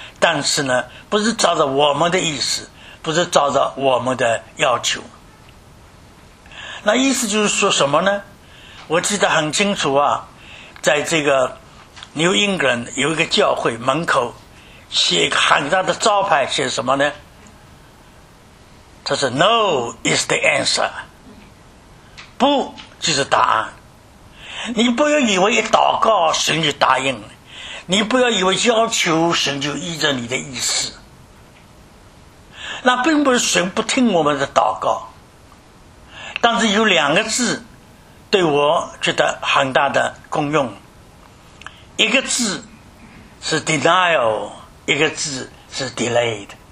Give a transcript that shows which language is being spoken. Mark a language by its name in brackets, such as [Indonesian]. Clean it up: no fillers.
[Chinese] 但是呢，不是照着我们的意思，不是照着我们的要求。那意思就是说什么呢？我记得很清楚啊，在这个 New England 有一个教会门口写一个很大的招牌，写什么呢？他说 [English] No is the answer， [Chinese] 不就是答案。你不要以为一祷告神就答应了，你不要以为要求神就依着你的意思。那并不是神不听我们的祷告，但是有两个字对我觉得很大的功用，一个字是 denial， 一个字是 delayed。